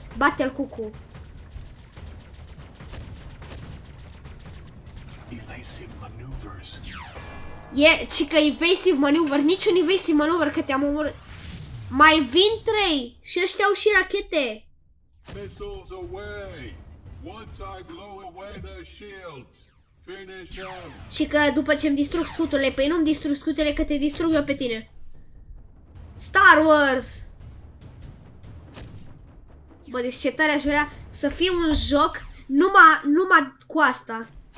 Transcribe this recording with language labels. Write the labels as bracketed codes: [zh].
[ro] Bate-l cucu. [en] Evasive maneuvers. [ro] E, ci că [en] evasive maneuvers, [ro] niciun evasive maneuver că te-am omorât. Mai vin trei și ăștia au și rachete. [en] Missiles away. Once I blow away the shields, finish them. [ro] Și că după ce îmi distrug scuturile, păi nu-mi distrug scuturile, că te distrug eu pe tine. Star Wars! Bă, deci ce tare aș vrea să fie un joc numai cu asta.